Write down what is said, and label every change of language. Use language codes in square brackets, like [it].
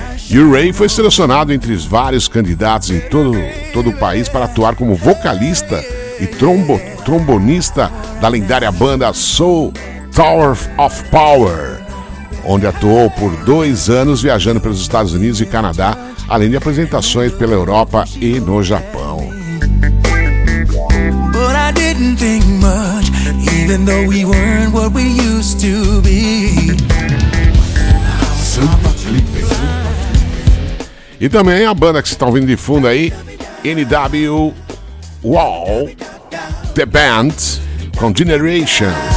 [pt] E o Ray foi selecionado entre os vários candidatos em todo o país para atuar como vocalista e trombonista da lendária banda Soul Tower of Power, onde atuou por 2 anos viajando pelos Estados Unidos e Canadá, além de apresentações pela Europa e no Japão. [en] But I didn't think much, even though we weren't what we used to be. [pt] E também a banda que vocês estão ouvindo de fundo aí, NW Wall, The Band, com Generations.